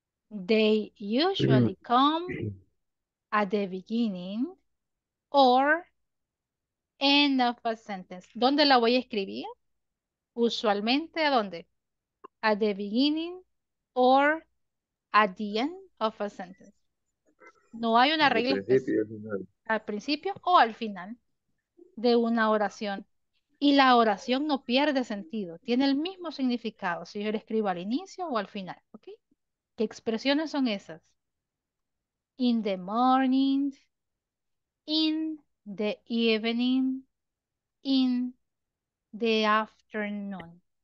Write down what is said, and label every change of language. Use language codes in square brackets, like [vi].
[en] They usually come at the beginning or end of a sentence. [es] ¿Dónde la voy a escribir? Usualmente, ¿a dónde? [en] At the beginning or at the end of a sentence. [es] No hay una regla al principio o al final de una oración. Y la oración no pierde sentido. Tiene el mismo significado si yo la escribo al inicio o al final. ¿Okay? ¿Qué expresiones son esas? [en] In the morning, in the evening, in the afternoon.